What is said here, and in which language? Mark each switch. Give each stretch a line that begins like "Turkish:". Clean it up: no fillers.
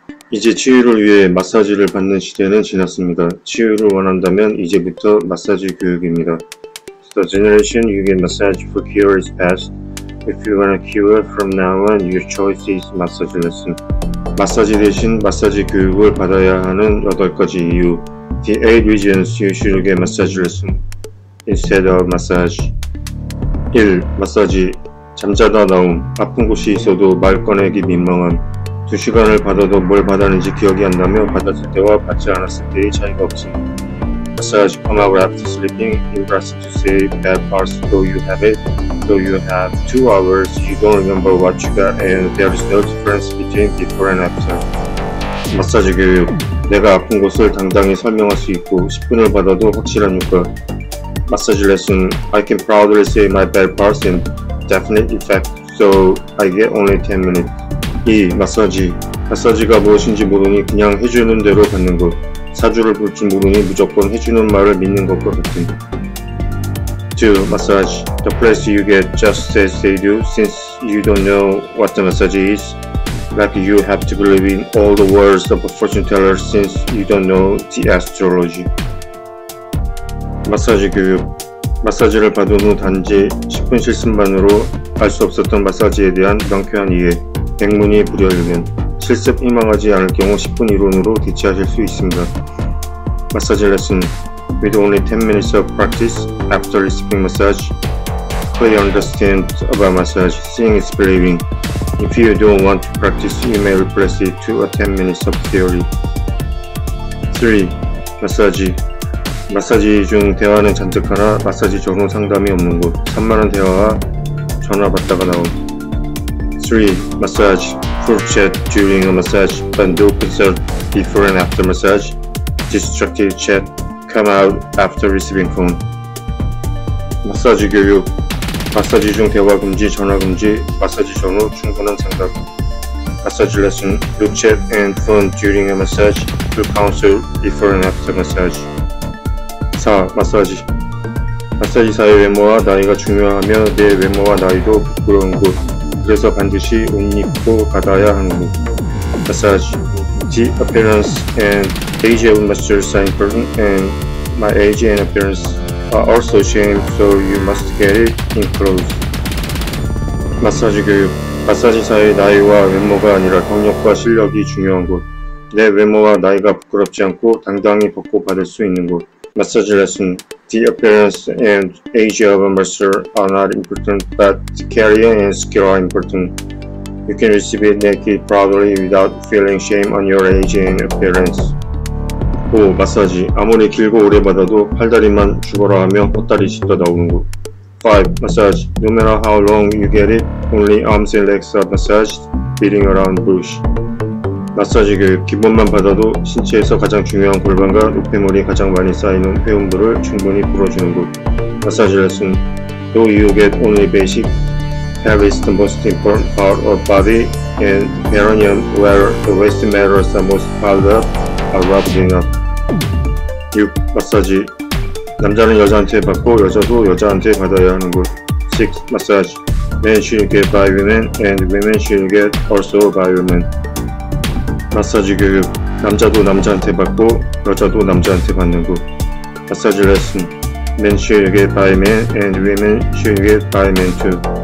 Korean: 이제 치유를 위해 마사지를 받는 시대는 지났습니다. 치유를 원한다면 이제부터 마사지 교육입니다.
English: So generation, you get massage for cure is past. If you want a cure from now on, your choice is massage lesson.
Korean: 마사지 대신 마사지 교육을 받아야 하는 8가지 이유.
English: The eight reasons you should get massage lesson instead of massage.
Korean: 1. 마사지. 잠자다 나옴. 아픈 곳이 있어도 말 꺼내기 민망함. 두 시간을 받아도 뭘 받았는지 기억이 안 나며 받았을 때와 받지 않았을 때의 차이가 없습니다.
English: Massage come out after sleeping. You rest to say bad parts though you have it. Though you have 2 hours, you don't remember what you got and there is no difference between before and after.
Korean: 마사지 교육. 내가 아픈 곳을 당당히 설명할 수 있고 10분을 받아도 확실한 효과. 마사지 레슨.
English: I can proudly say my bad parts and definite effect, so I get only 10 minutes.
Korean: 2. 마사지. 마사지가 무엇인지 모르니 그냥 해주는 대로 받는 것. 사주를 볼줄 모르니 무조건 해주는 말을 믿는 것과 같은. 2. 마사지.
English: The place you get just as they do since you don't know what the massage is. Like you have to believe in all the words of a fortune teller since you don't know the astrology.
Korean: 마사지 교육. 마사지를 받은 후 단지 10분 실습만으로 알수 없었던 마사지에 대한 명쾌한 이해. 백문이 불여일견. 실습 희망하지 않을 경우 10분 이론으로 대체하실 수 있습니다. 마사지 레슨.
English: With only 10 minutes of practice after receiving massage, clearly understand about massage, seeing is believing. If you don't want to practice, you may replace it to a 10 minutes of theory.
Korean: 3. 마사지. 마사지 중 대화는 잔뜩하나 마사지 전후 상담이 없는 곳. 산만한 대화와 전화 받다가 나온.
English: 3. Massage. Full chat during a massage, but no concern before and after massage. Destructive chat come out after receiving phone.
Korean: 마사지 교육. 마사지 중 대화 금지, 전화 금지, 마사지 전후 충분한 상담.
English: Massage lesson. No chat and phone during a massage. Full counsel before and after massage.
Korean: 4. 마사지. 마사지사의 외모와 나이가 중요하며 내 외모와 나이도 부끄러운 곳. 그래서 반드시 옷 입고 받아야 하는 곳.
English: Massage. The appearance and age of masseurs are important, and my age and appearance are also shame, so you must get it in close.
Korean: 마사지 교육. 마사지사의 나이와 외모가 아니라 경력과 실력이 중요한 곳. 내 외모와 나이가 부끄럽지 않고 당당히 벗고 받을 수 있는 곳.
English: Massage lesson. The appearance and age of a masseur are not important, but career and skill are important. You can receive it naked proudly without feeling shame on your age and appearance.
Korean: 5. 마사지. 아무리 길고 오래 받아도 팔다리만 죽어라 하며 헛다리 짓다 나오는 곳. 5. 마사지.
English: No matter how long you get it, only arms and legs are massaged, beating around bush.
Korean: 마사지 교육. 기본만 받아도 신체에서 가장 중요한 골반과 노폐물이 가장 많이 쌓이는 회음부를 충분히 풀어주는 곳. 마사지 레슨.
English: Though you get only basic, pelvis is the most important part of body and perineum where the waist matters the most piled up are rubbed enough.
Korean: 6. 마사지. 남자는 여자한테 받고 여자도 여자한테 받아야 하는 곳. 6. 마사지.
English: Men should get by women and women should get also by women.
Korean: 마사지 교육. 남자도 남자한테 받고 여자도 남자한테 받는 곳. 마사지 레슨.
English: Men should get by men and women should get by men too.